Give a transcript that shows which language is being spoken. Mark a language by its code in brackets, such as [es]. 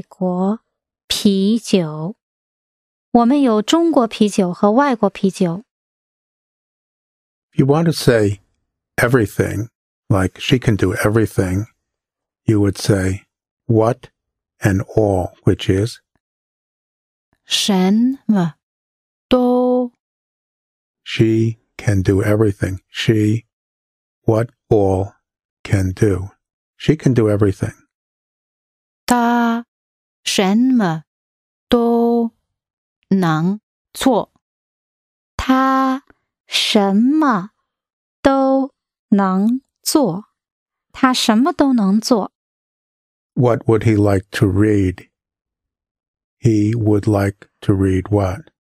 [zh] 我们有中国啤酒和外国啤酒。我们有中国啤酒和外国啤酒。我们有中国啤酒和外国啤酒。 [en] If you want to say everything, like she can do everything, you would say what and all, which is [zh] 什么都 [en] She can do everything. She, what all can do. She can do everything. [zh] 她什么都能做。他什么都能做。他什么都能做。 [en] What would he like to read? He would like to read what?